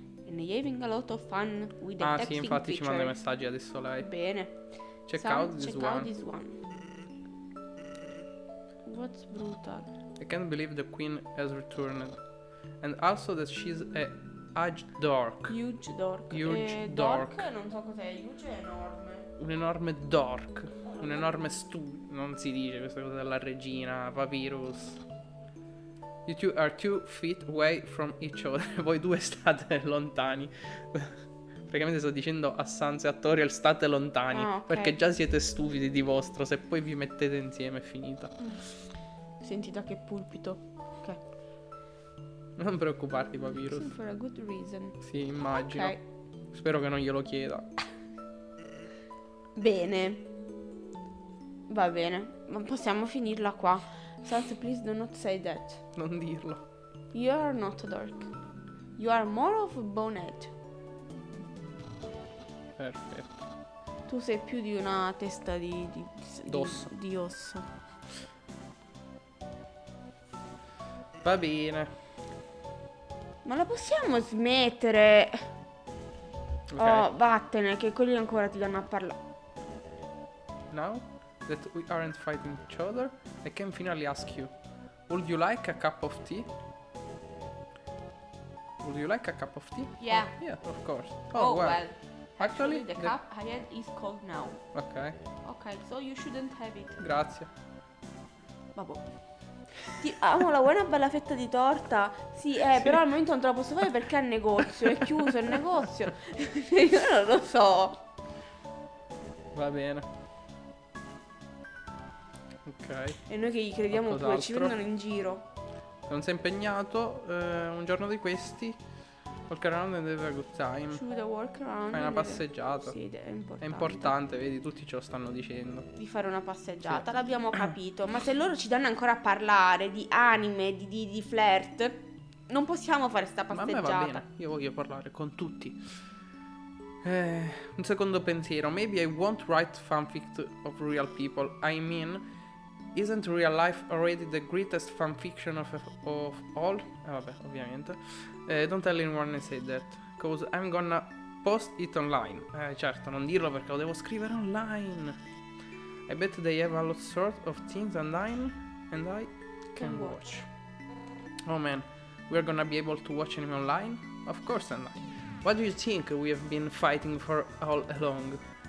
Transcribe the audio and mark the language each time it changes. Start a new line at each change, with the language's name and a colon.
English: And having a lot of fun with the texting feature. Ah
Italian: sì, infatti ci manda i messaggi adesso lei. Bene.
English: Check out this one. What's brutal? I can't believe the queen has returned. And also that she's a huge dork.
Italian: Non so cos'è, huge è enorme. Un enorme dork. Un enorme stu... Non si dice questa cosa della regina, papyrus.
English: You two are 2 feet away from each other.
Italian: Voi due state lontani. Praticamente sto dicendo a Sansa e a Toriel, state lontani. Ah, okay. Perché già siete stupidi di vostro. Se poi vi mettete insieme è finita. Sentita che pulpito. Ok. Non preoccuparti, papyrus.
English: For a good reason.
Italian: Sì, immagino. Okay. Spero che non glielo chieda. Bene. Va bene. Ma possiamo finirla qua.
English: Sansa, please do not say that.
Italian: Non dirlo.
English: You are not dark. You are more of a bonehead.
Italian: Perfetto. Tu sei più di una testa d'osso. Di osso. Va bene. Ma la possiamo smettere? Okay. Oh, vattene, che quelli ancora ti danno a parlare. No?
English: That we aren't fighting each other, I can finally ask you, would you like a cup of tea? Would you like a cup of tea? Yeah. Oh, yeah, of course. Oh well. Actually, the cup I had is cold now. Okay. Okay, so you shouldn't have it.
Italian: Grazie. Vabbè. Ti amo la buona bella fetta di torta. Sì, sì, però al momento non te la posso fare perché è il negozio, è chiuso il negozio. Io non lo so. Va bene. Ok. E noi che gli crediamo pure, ci prendono in giro. Non sei impegnato, un giorno di questi,
English: walk around and have a good time. Should we walk around?
Italian: Fai una passeggiata. Sì, è importante. È importante, vedi, tutti ce lo stanno dicendo. Di fare una passeggiata, sì. L'abbiamo capito. Ma se loro ci danno ancora a parlare di anime, di flirt, non possiamo fare sta passeggiata. Ma a me va bene, io voglio parlare con tutti. Un secondo pensiero.
English: Maybe I won't write fanfic of real people. I mean, isn't real life already the greatest fanfiction of all?
Italian: Vabbè, ovviamente.
English: Don't tell anyone I said that, cause I'm gonna post it online.
Italian: Certo, non dirlo perché lo devo scrivere online.
English: I bet they have a lot sort of things online and I can watch. Oh man, we're gonna be able to watch anime online? Of course online. What do you think we have been fighting for all along?